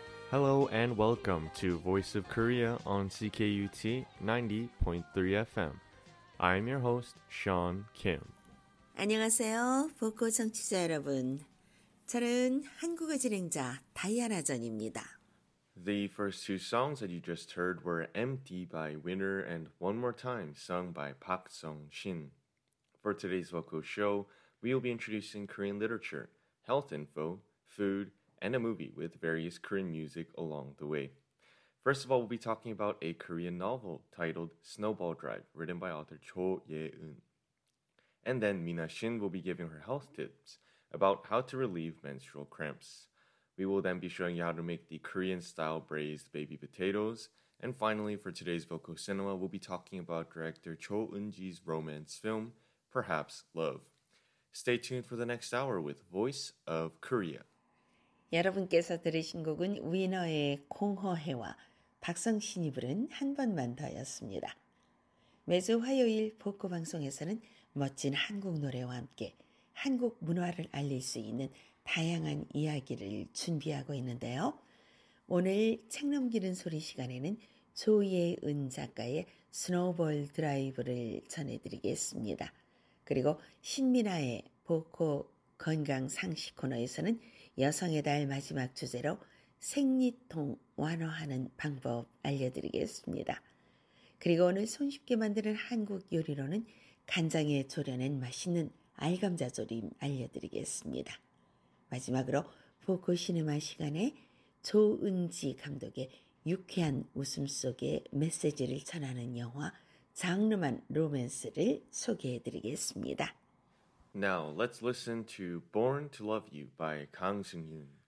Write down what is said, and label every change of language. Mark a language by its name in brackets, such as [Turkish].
[English] Hello and welcome to Voice of Korea on CKUT 90.3 FM. I'm your host, Sean Kim. [Korean] 안녕하세요, 복고 청취자 여러분. 저는 한국어 진행자 다이아나 전입니다. [English] The first two songs that you just heard were Empty by Winner and One More Time sung by Park Sung-shin. For today's vocal show, we will be introducing Korean literature, health info, food, and a movie with various Korean music along the way. First of all, we'll be talking about a Korean novel titled Snowball Drive, written by author Cho Ye-eun. And then Mina Shin will be giving her health tips about how to relieve menstrual cramps. We will then be showing you how to make the Korean-style braised baby potatoes. And finally, for today's vocal cinema, we'll be talking about director Cho Eun-ji's romance film, Perhaps Love. Stay tuned for the next hour with Voice of Korea. [Korean] 여러분께서 들으신 곡은 위너의 공허해와 박성신이 부른 한 번만 더였습니다. 매주 화요일 복고 방송에서는 멋진 한국 노래와 함께 한국 문화를 알릴 수 있는 다양한 이야기를 준비하고 있는데요. 오늘 책 넘기는 소리 시간에는 조예은 작가의 스노우볼 드라이브를 전해드리겠습니다. 그리고 신민아의 복고 건강 상식 코너에서는 여성의 달 마지막 주제로 생리통 완화하는 방법 알려드리겠습니다. 그리고 오늘 손쉽게 만드는 한국 요리로는 간장에 졸여낸 맛있는 알감자 조림 알려드리겠습니다. 마지막으로 보코 시네마 시간에 조은지 감독의 유쾌한 웃음 속에 메시지를 전하는 영화 장르만 로맨스를 소개해드리겠습니다. [English] Now let's listen to Born to Love You by 강승윤.